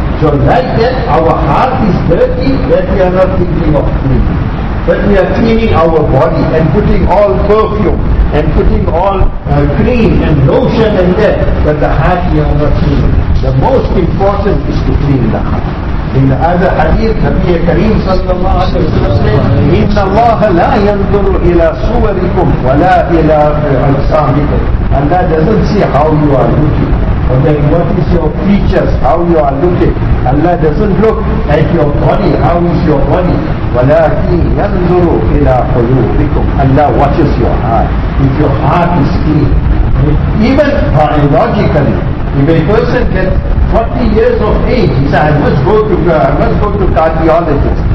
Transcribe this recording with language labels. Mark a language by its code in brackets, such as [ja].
[en] So like that, our heart is dirty, that we are not thinking of cleaning. But we are cleaning our body and putting all perfume and putting all cream and lotion and that. But the heart we are not cleaning. The most important is to clean the heart. In the other hadith, Nabiya Kareem said, [ar] إِنَّ اللَّهَ لَا يَنْظُرُ إِلَىٰ سُوَرِكُمْ وَلَا إِلَىٰ أَجْسَامِكُمْ. [en] Allah doesn't see how you are looking. Or then what is your features, how you are looking. Allah doesn't look at your body, how is your body. [ar] وَلَكِنْ يَنْظُرُ إِلَىٰ قُلُوبِكُمْ. [en] Allah watches your heart. If your heart is clean, even biologically, if a person gets 40 years of age, he says, I must go to cardiologist.